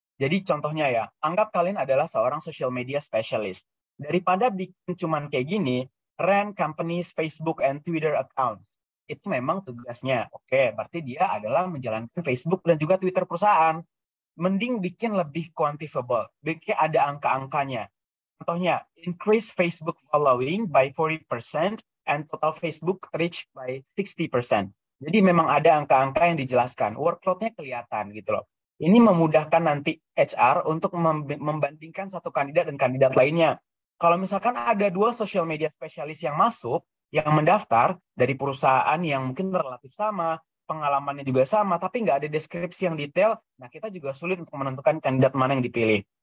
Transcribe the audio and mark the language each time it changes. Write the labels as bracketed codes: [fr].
[id] Jadi contohnya ya, anggap kalian adalah seorang social media specialist. Daripada bikin cuman kayak gini, [en] run company's Facebook and Twitter account. [id] Itu memang tugasnya. Oke, berarti dia adalah menjalankan Facebook dan juga Twitter perusahaan. Mending bikin lebih quantifiable. Bikin ada angka-angkanya. Contohnya, [en] increase Facebook following by 40% and total Facebook reach by 60%. [id] Jadi memang ada angka-angka yang dijelaskan. Workload-nya kelihatan gitu loh. Ini memudahkan nanti HR untuk membandingkan satu kandidat dan kandidat lainnya. Kalau misalkan ada 2 social media specialist yang masuk, yang mendaftar dari perusahaan yang mungkin relatif sama, pengalamannya juga sama, tapi nggak ada deskripsi yang detail, nah kita juga sulit untuk menentukan kandidat mana yang dipilih.